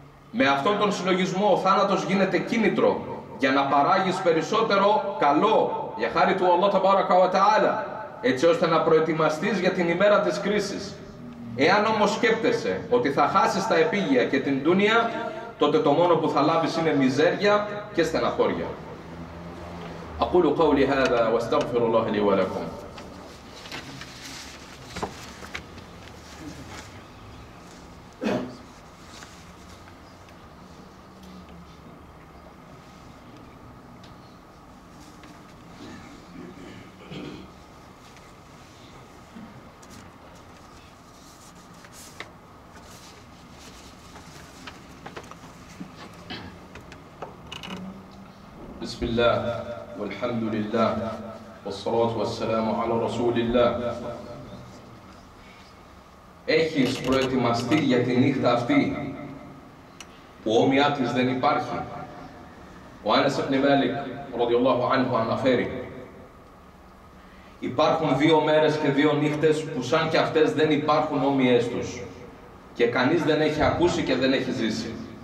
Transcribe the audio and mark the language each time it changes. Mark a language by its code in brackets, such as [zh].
[el] Με αυτόν τον συλλογισμό ο θάνατος γίνεται κίνητρο για να παράγεις περισσότερο καλό για χάρη του Αλλάχ ταμπάρακα ουα τα'άλα, έτσι ώστε να προετοιμαστείς για την ημέρα της κρίσης. Εάν όμως σκέπτεσαι ότι θα χάσεις τα επίγεια και την ντούνια, τότε το μόνο που θα λάβεις είναι μιζέρια και στεναχώρια. [ar] أقول قولي هذا واستغفر الله لي ولكم. بسم الله والحمد لله والصلاة والسلام على رسول الله. [el] Έχεις προετοιμαστεί για τη νύχτα αυτή που όμοιά της δεν υπάρχει? Ο Άνας ιμνη Μάλικ ραδιαλλάχου ανχου αναφέρει: υπάρχουν δύο μέρες και δύο νύχτες που σαν και αυτές δεν υπάρχουν όμοιές τους και κανείς δεν έχει ακούσει και δεν έχει ζήσει.